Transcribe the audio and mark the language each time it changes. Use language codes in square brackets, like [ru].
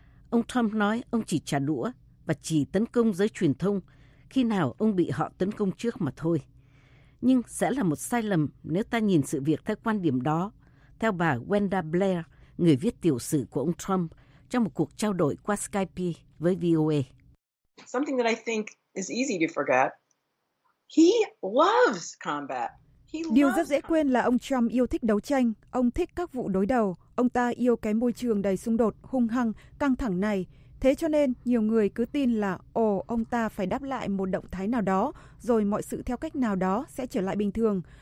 [vi] Ông Trump nói ông chỉ trả đũa và chỉ tấn công giới truyền thông khi nào ông bị họ tấn công trước mà thôi. Nhưng sẽ là một sai lầm nếu ta nhìn sự việc theo quan điểm đó, theo bà Wenda Blair, người viết tiểu sử của ông Trump, trong một cuộc trao đổi qua Skype với VOA. [en] Something that I think is easy to forget. He loves combat. [vi] Điều rất dễ quên là ông Trump yêu thích đấu tranh, ông thích các vụ đối đầu, ông ta yêu cái môi trường đầy xung đột, hung hăng, căng thẳng này. Thế cho nên, nhiều người cứ tin là, ồ, ông ta phải đáp lại một động thái nào đó, rồi mọi sự theo cách nào đó sẽ trở lại bình thường.